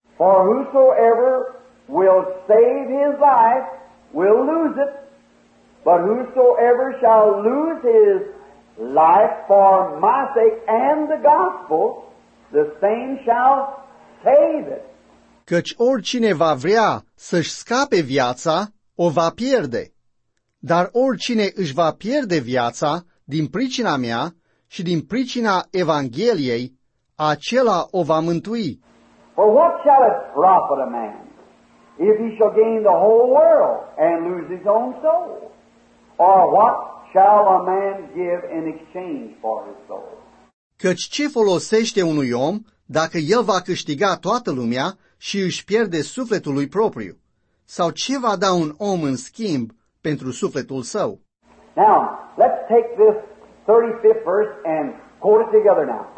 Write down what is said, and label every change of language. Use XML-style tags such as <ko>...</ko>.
<en>For whosoever will save his life will lose it, but whosoever shall lose his life for my sake and the gospel, the same shall save it.</en> <ro>Căci oricine va vrea să-și scape viața, o va pierde. Dar oricine își va pierde viața din pricina mea și din pricina Evangheliei, acela o va mântui.</ro> <en>For what shall it profit a man if he shall gain the whole world and lose his own soul? Or what shall a man give in exchange for his soul?</en> <ro>Căci ce folosește unui om dacă el va câștiga toată lumea și își pierde sufletul lui propriu? Sau ce va da un om în schimb pentru sufletul său?</ro> <en>Now, let's take this 35th verse and quote it together now.</en>